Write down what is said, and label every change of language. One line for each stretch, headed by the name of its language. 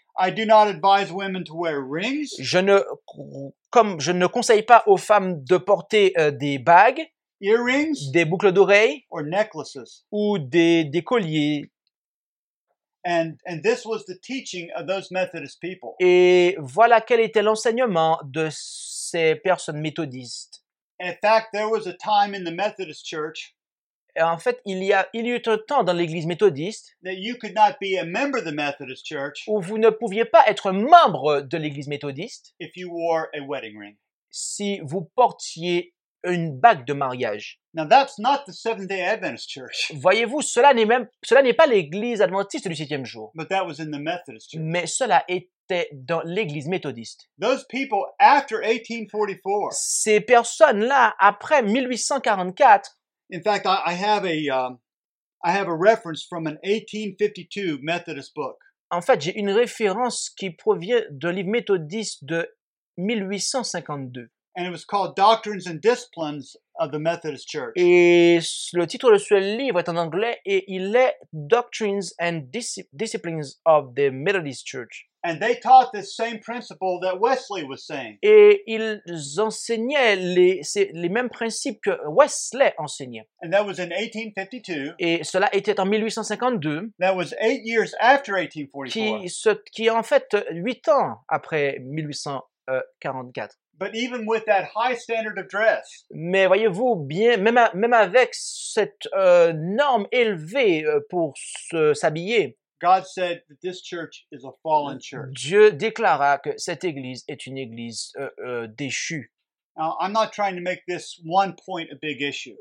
English: I do not advise women to wear rings.
French: Je ne conseille pas aux femmes de porter des bagues.
English: Earrings,
French: des boucles d'oreilles,
English: or necklaces,
French: ou des colliers.
English: And this was the teaching of those Methodist people.
French: Et voilà quel était l'enseignement de ces personnes méthodistes.
English: In fact, there was a time in the Methodist Church.
French: Et en fait, il y eut un temps dans l'Église méthodiste
English: that you could not be a member of the Methodist Church
French: où vous ne pouviez pas être membre de l'Église méthodiste
English: if you wore a wedding ring.
French: Si vous portiez une bague de mariage.
English: Now that's not the Seventh-day Adventist Church.
French: Voyez-vous, cela n'est pas l'Église adventiste du septième jour.
English: But that was in the Methodist Church.
French: Mais cela était dans l'Église méthodiste.
English: Those people after 1844.
French: Ces personnes-là après 1844.
English: In fact, I have a reference from an 1852 Methodist book.
French: En fait, j'ai une référence qui provient d'un livre méthodiste de 1852.
English: And it was called Doctrines and Disciplines of the Methodist Church.
French: Et le titre de ce livre est en anglais et il est Doctrines and Disciplines of the Methodist Church.
English: And they taught the same principle that Wesley was saying.
French: Et ils enseignaient les mêmes principes que Wesley enseignait.
English: And that was in 1852.
French: Et cela était en 1852.
English: That was 8 years after 1844.
French: Qui en fait 8 ans après 1844.
English: But even with that high standard of dress,
French: mais voyez-vous bien, même avec cette norme élevée pour s'habiller,
English: God said that this church is a fallen church.
French: Dieu déclara que cette église est une église déchue.
English: Now, I'm not trying to make this one point a big issue.